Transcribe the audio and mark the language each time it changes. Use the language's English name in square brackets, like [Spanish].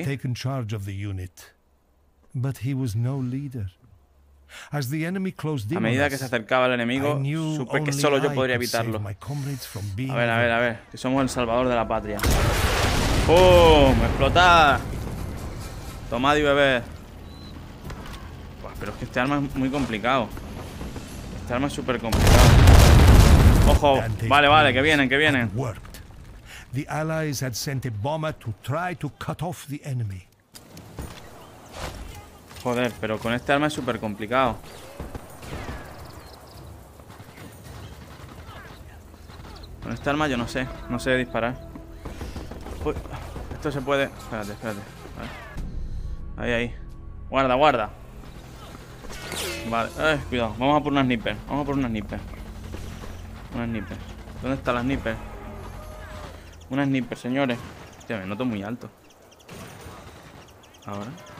[English] Father had taken charge of the unit, but he was no leader. As the enemy closed in, [Spanish] a medida que se acercaba el enemigo, supe que solo yo podría evitarlo. A ver, que somos el salvador de la patria. ¡Pum! ¡Explotar! Tomad y bebé. Pero es que este arma es muy complicado. Este arma es súper complicado. Ojo. Vale, vale, que vienen, que vienen. [English] The Allies had sent a bomber to try to cut off the enemy. [Spanish] Joder, pero con este arma es súper complicado. Con este arma yo no sé. No sé disparar. Uy, esto se puede. Espérate, espérate. Ahí, ahí. Guarda, guarda. Vale, cuidado. Vamos a por una sniper. Vamos a por una sniper. Una sniper. ¿Dónde está la sniper? Una sniper, señores. Hostia, me noto muy alto. Ahora.